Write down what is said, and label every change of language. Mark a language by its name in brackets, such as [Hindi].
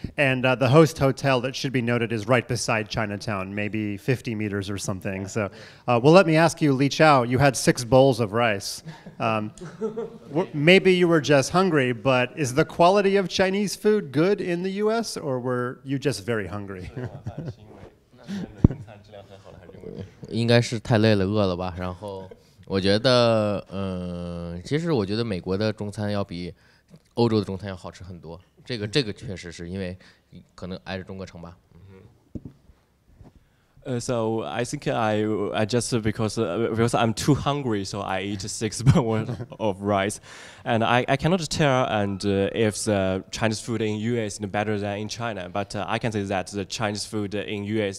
[English] And the host hotel that should be noted is right beside Chinatown, maybe 50 meters or something. So, well, let me ask you, Li Chao, you had 6 bowls of rice. maybe you were just hungry, but is the quality of Chinese food good in the U.S., or were you just very hungry? [Chinese] 应该是太累了饿了吧，然后我觉得其实我觉得美国的中餐要比欧洲的中餐要好吃很多，这个确实是因为可能挨着中国城吧。 [English] So I think I just because I'm too hungry, so I eat 6 bowls of rice, and I cannot tell and if the Chinese food in U.S. is better than in China, but I can say that the Chinese food in U.S.